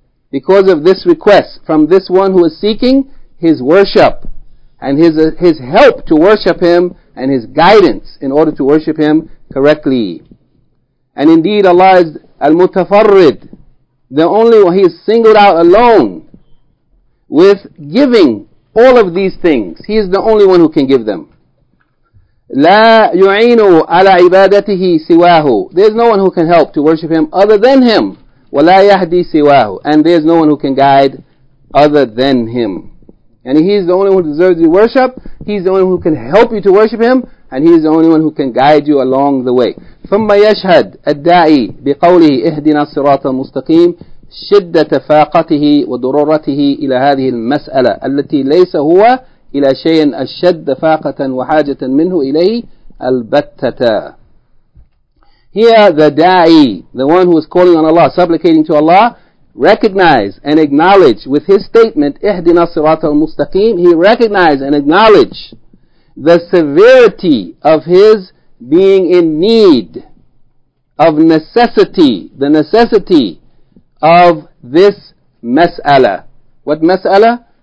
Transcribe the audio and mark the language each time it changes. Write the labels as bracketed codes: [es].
[en] Because of this request from this one who is seeking his worship and his help to worship him and his guidance in order to worship him correctly. And indeed Allah is Al-Mutafarrid, the only one, he is singled out alone with giving all of these things. He is the only one who can give them. [ar] لا يعينه على عبادته سواه. [en] There is no one who can help to worship him other than him. [ar] ولا يهدي سواه. [en] And there is no one who can guide other than him. And he is the only one who deserves your worship. He is the only one who can help you to worship him. And he is the only one who can guide you along the way. [ar] ثم يشهد الداعي بقوله اهدنا الصراط المستقيم شدة فاقته وضرورته إلى هذه المسألة التي ليس هو إلى شيء أشد فاقة وحاجة منه إليه البتة. [en] Here the da'i, the one who is calling on Allah, supplicating to Allah, recognize and acknowledge with his statement, [ar] اهدنا الصراط المستقيم, [en] he recognize and acknowledge the severity of his being in need, of necessity, the necessity of this mas'ala. What mas'ala?